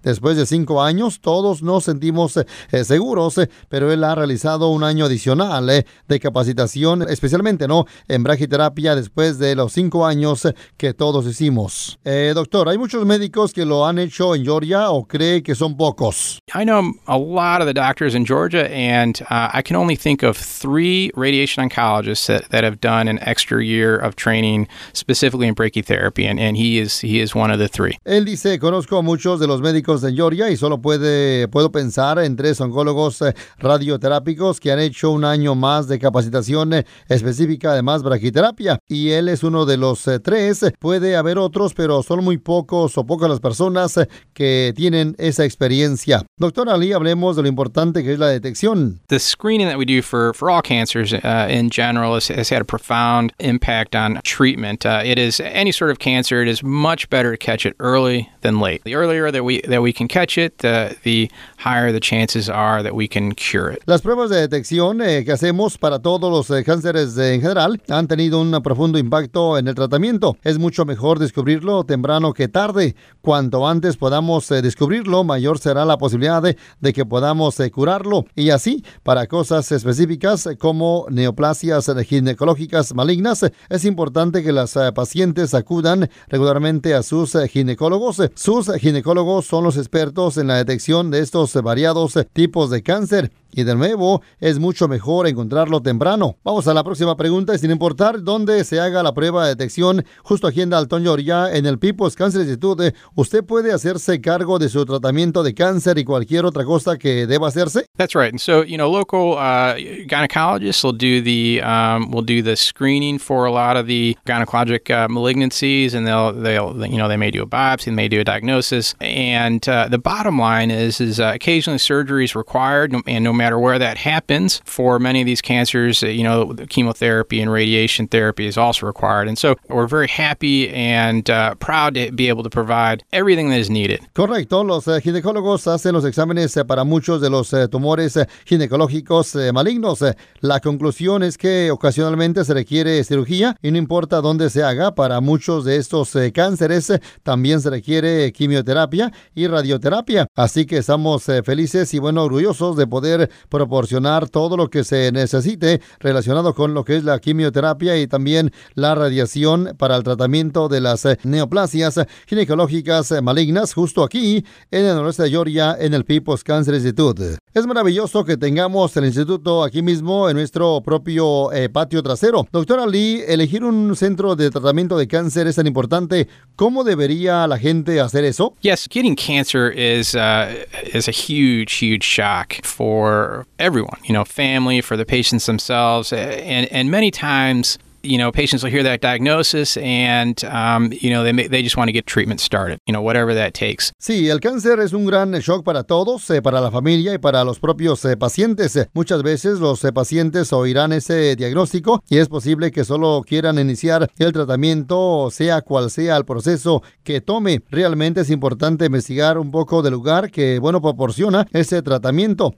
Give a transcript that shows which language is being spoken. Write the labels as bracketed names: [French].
[Spanish] Después de 5 años, todos nos sentimos seguros, pero él ha realizado un año adicional de capacitación, especialmente no en braquiterapia después de los 5 años que todos hicimos. Doctor, hay muchos médicos que lo han hecho hecho en Georgia o cree que son pocos? [English] I know a lot of the doctors in Georgia, and I can only think of three radiation oncologists that have done an extra year of training specifically in brachytherapy, and he is one of the three. [Spanish] Él dice, conozco a muchos de los médicos de Georgia y solo puedo pensar en tres oncólogos radioterápicos que han hecho un año más de capacitación específica, además brachiterapia, y él es uno de los tres. Puede haber otros, pero son muy pocos o pocas las personas que tienen esa experiencia. Doctor Ali, hablemos de lo importante que es la detección. [English] The screening that we do for all cancers in general has had a profound impact on treatment. It is any sort of cancer, it is much better to catch it early than late. The earlier that we can catch it, the higher the chances are that we can cure it. [Spanish] Las pruebas de detección que hacemos para todos los cánceres en general han tenido un profundo impacto en el tratamiento. Es mucho mejor descubrirlo temprano que tarde. Cuanto antes podamos descubrirlo, mayor será la posibilidad de que podamos curarlo. Y así, para cosas específicas como neoplasias ginecológicas malignas, es importante que las pacientes acudan regularmente a sus ginecólogos. Sus ginecólogos son los expertos en la detección de estos variados tipos de cáncer. Y de nuevo, es mucho mejor encontrarlo temprano. Vamos a la próxima pregunta. Sin importar dónde se haga la prueba de detección, justo aquí en Dalton, Georgia, en el People's Cancer Institute, ¿usted puede hacerse cargo de su tratamiento de cáncer y cualquier otra cosa que deba hacerse? [English] That's right. And so, you know, local gynecologists will do the screening for a lot of the gynecologic malignancies, and they may do a biopsy, they may do a diagnosis. And the bottom line is occasionally surgery is required, and no matter where that happens, for many of these cancers, you know, chemotherapy and radiation therapy is also required. And so we're very happy and proud to be able to provide everything that is needed. [Spanish] Correcto. Los ginecólogos hacen los exámenes para muchos de los tumores ginecológicos malignos. La conclusión es que ocasionalmente se requiere cirugía y no importa dónde se haga. Para muchos de estos cánceres también se requiere quimioterapia y radioterapia. Así que estamos felices y, bueno, orgullosos de poder proporcionar todo lo que se necesite relacionado con lo que es la quimioterapia y también la radiación para el tratamiento de las neoplasias ginecológicas malignas justo aquí en el noreste de Georgia en el People's Cancer Institute. Es maravilloso que tengamos el instituto aquí mismo en nuestro propio patio trasero. Doctora Lee, elegir un centro de tratamiento de cáncer es tan importante. ¿Cómo debería la gente hacer eso? [English] Yes, getting cancer is a huge, huge shock for everyone, you know, family, for the patients themselves, and many times, you know, patients will hear that diagnosis and, you know, they just want to get treatment started, you know, whatever that takes. [Spanish] Sí, el cáncer es un gran shock para todos, para la familia y para los propios pacientes. Muchas veces los pacientes oirán ese diagnóstico y es posible que solo quieran iniciar el tratamiento, sea cual sea el proceso que tome. Realmente es importante investigar un poco del lugar que, bueno, proporciona ese tratamiento.